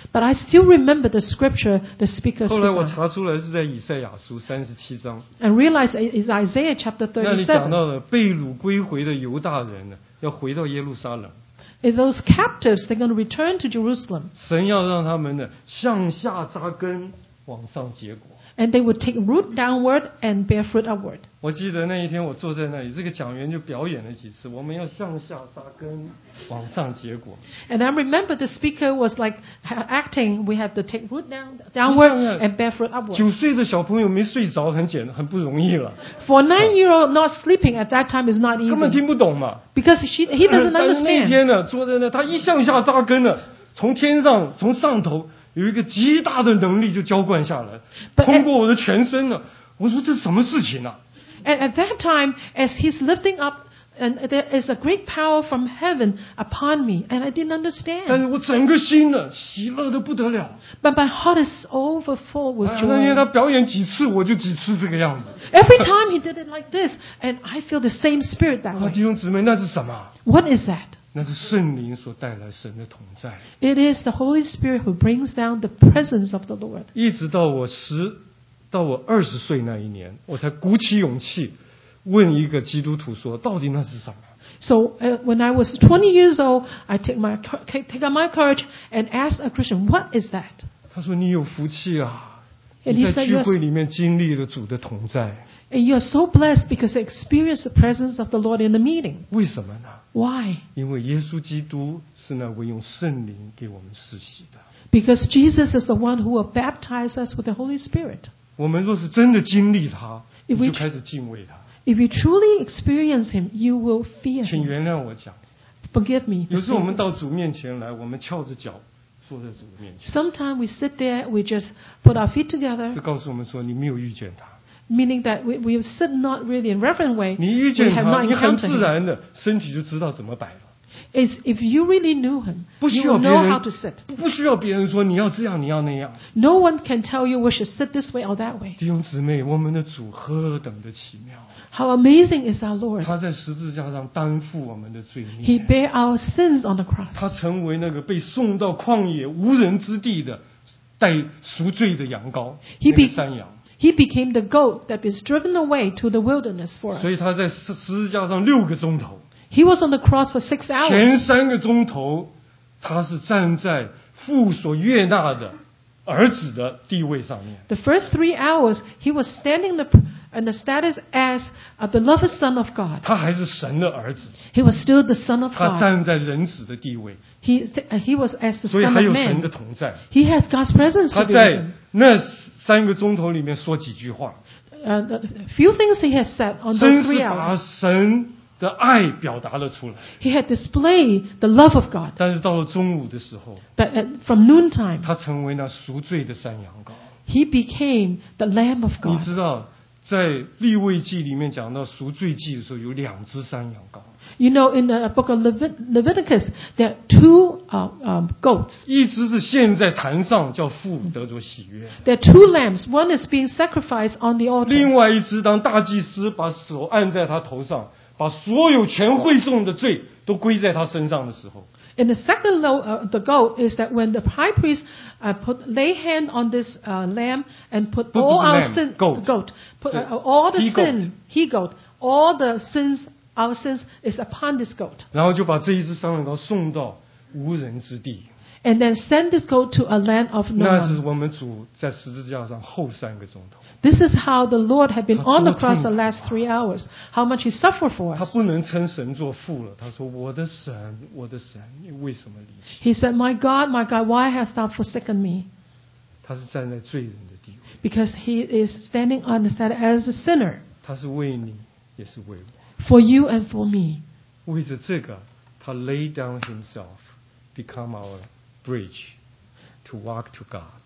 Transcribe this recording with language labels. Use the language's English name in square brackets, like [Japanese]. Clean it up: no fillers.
[English] But I still remember the scripture the speaker spoke. [Chinese] 后来我查出来是在以赛亚书37章。 [English] And realized it's Isaiah chapter 37. [Chinese] 那里讲到了被掳归回的犹大人呢，要回到耶路撒冷。 [English] If those captives, they're going to return to Jerusalem. [Chinese] 神要让他们呢向下扎根，往上结果。 [English] And they would take root downward and bear fruit upward. [Chinese] 我记得那一天我坐在那里，这个讲员就表演了几次，我们要向下扎根，往上结果。 [English] And I remember the speaker was like acting, we have to take root downward and bear fruit upward. [Chinese] 九岁的小朋友没睡着，很不容易了。 [English] For a 9-year-old not sleeping at that time is not easy. [Chinese] 根本听不懂嘛。 [English] Because he doesn't understand. [Chinese] 但是那天呢，坐在那，他一向下扎根了，从上头。有一个极大的能力就浇灌下来，通过我的全身了。我说这是什么事情啊 [English] ？And at that time, as he's lifting up And there is a great power from heaven upon me, and I didn't understand. [Chinese] 但是我整个心呢，喜乐得不得了。 [English] But my heart is overflow with joy. [Chinese] 那天他表演几次，我就几次这个样子。 [English] Every time he did it like this, and I feel the same spirit that way. [Chinese] 弟兄姊妹，那是什么？ [English] What is that? [Chinese] 那是圣灵所带来神的同在。 [English] It is the Holy Spirit who brings down the presence of the Lord. [Chinese] 一直到我十，到我二十岁那一年，我才鼓起勇气。问一个基督徒说，到底那是什么？ [English] So, when I was 20 years old, I take my courage and ask a Christian, what is that? [Chinese] 他说你有福气啊，你在聚会里面经历了主的同在。 [English] And you are so blessed because you experience the presence of the Lord in the meeting. [Chinese] 为什么呢？ [English] Why? [Chinese] 因为耶稣基督是那位用圣灵给我们施洗的。 [English] Because Jesus is the one who will baptize us with the Holy Spirit. [Chinese] 我们若是真的经历他，你就开始敬畏他。 [English] If you truly experience him, you will fear him. [Chinese] 请原谅我讲。 [English] Forgive me. [Chinese] 有时我们到主面前来，我们翘着脚坐在主面前。 [English] Sometimes we sit there, we just put our feet together. [Chinese] 就告诉我们说你没有遇见他。 [English] Meaning that we sit not really in reverent way. [Chinese] 你遇见他，你很自然的身体就知道怎么摆了。 [English] Is if you really knew him, you know how to sit. [Chinese] 不需要别人说你要这样，你要那样。 [English] No one can tell you we should sit this way or that way. [Chinese] 弟兄姊妹，我们的主何等的奇妙！ [English] How amazing is our Lord! [Chinese] 他在十字架上担负我们的罪孽。 [English] He bare our sins on the cross. [Chinese] 他成为那个被送到旷野无人之地的带赎罪的羊羔，那个山羊。 [English] He became the goat that was driven away to the wilderness for us. [Chinese] 所以他在十字架上六个钟头。 [English] He was on the cross for 6 hours. [Chinese] 前三个钟头，他是站在父所悦纳的儿子的地位上面。 [English] The first 3 hours, he was standing in the status as a beloved son of God. [Chinese] 他还是神的儿子。 [English] He was still the son of God. [Chinese] 他站在人子的地位。 [English] He was as the son of man. [Chinese] 所以还有神的同在。 [English] He has God's presence with him. [Chinese] 他在那三个钟头里面说几句话。 [English] A few things he has said on those 3 hours. [Chinese] 真是把神的爱表达了出来。 [English] He had displayed the love of God. [Chinese] 但是到了中午的时候， [English] But from noontime, [Chinese] 他成为那赎罪的山羊羔。 [English] He became the Lamb of God. [Chinese] 你知道，在利未记里面讲到赎罪记的时候，有两只山羊羔。 [English] You know, in the book of Leviticus, there are two goats. [Chinese] 一只是献在坛上，叫父得着喜悦。 [English] There are two lambs. One is being sacrificed on the altar. [Chinese] 另外一只，当大祭司把手按在他头上。把所有全会众的罪都归在他身上的时候。 [English] And the second the goal is that when the high priest lay hand on this lamb and put all our sin goat, goat put all the sin he goat all the sins our sins is upon this goat. [Chinese] 然后就把这一只山羊羔送到无人之地。 [English] And then send this goat to a land of no [Chinese] one. 那是我们主在十字架上后三个钟头。 [English] This is how the Lord had been on the cross the last 3 hours. How much he suffered for us. [Chinese] 他不能称神作父了。他说：“我的神，我的神，你为什么离弃？” [English] He said, "My God, my God, why hast thou forsaken me?" [Chinese] 他是站在罪人的地位。 [English] Because he is standing on the stand as a sinner. [Chinese] 他是为你，也是为我。 [English] For you and for me. [Chinese] 为着这个，他 [English] lay down himself, become our bridge to walk to God.